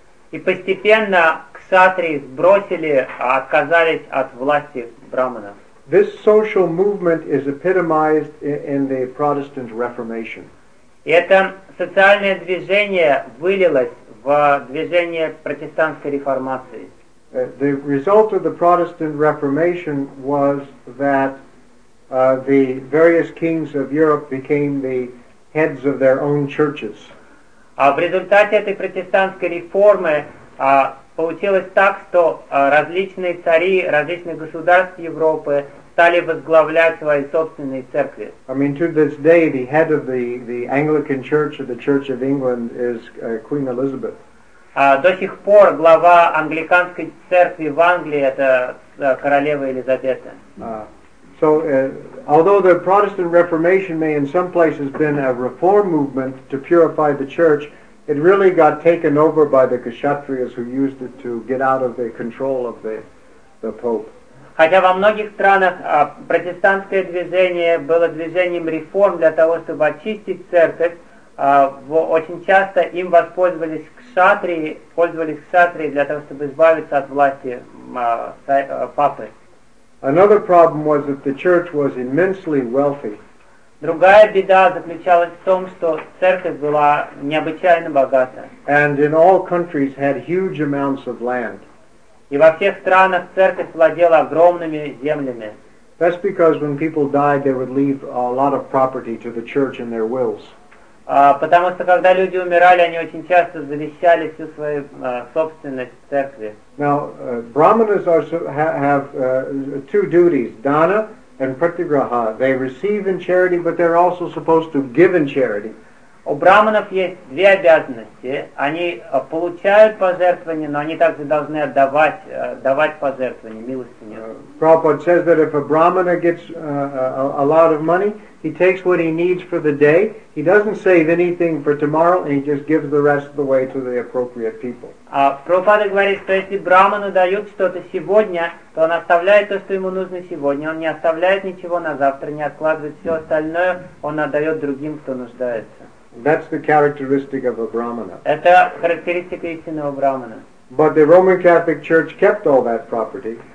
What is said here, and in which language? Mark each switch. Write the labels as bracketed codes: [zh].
[ru] И постепенно кшатрии сбросили, отказались от власти брахманов. [en] This social movement is epitomized in the Protestant Reformation. [ru] И это социальное движение вылилось в движение протестантской реформации. [en] The result of the Protestant Reformation was that the various kings of Europe became the heads of their own churches. [ru] А в результате этой протестантской реформы получилось так, что различные цари различных государств Европы стали возглавлять свои собственные церкви. [en] I mean, to this day, the head of the Anglican Church or the Church of England is Queen Elizabeth. [ru] До сих пор глава англиканской церкви в Англии это королева Елизавета. [en] Although the Protestant Reformation may in some places been a reform movement to purify the church, it really got taken over by the Kshatriyas who used it to get out of the control of the Pope. [ru] Хотя во многих странах протестантское движение было движением реформ для того, чтобы очистить церковь, очень часто им воспользовались кшатрии для того, чтобы избавиться от власти папы. [en] Another problem was that the church was immensely wealthy. [ru] Другая беда заключалась в том, что церковь была необычайно богата. [en] And in all countries had huge amounts of land. [ru] И во всех странах церковь владела огромными землями. [en] That's because when people died, they would leave a lot of property to the church in their wills. [ru] Потому что когда люди умирали, они очень часто завещали всю свою собственность церкви. [en] Now, brahmanas have two duties, dana and pratigraha. They receive in charity, but they're also supposed to give in charity. [ru] У брахманов есть две обязанности. Они получают пожертвования, но они также должны давать пожертвования, милостыню. [en] Prabhupada says that if a brahmana gets a lot of money, he takes what he needs for the day, he doesn't save anything for tomorrow, and he just gives the rest of the way to the appropriate people. [ru] Prabhupada говорит, что если брахману дают что-то сегодня, то он оставляет то, что ему нужно сегодня, он не оставляет ничего на завтра, не откладывает все остальное, он отдает другим, кто нуждается. [en] That's the characteristic of a brahmana. [ru] Это характеристика истинного брахмана. [en] But the Roman Catholic Church kept all that property.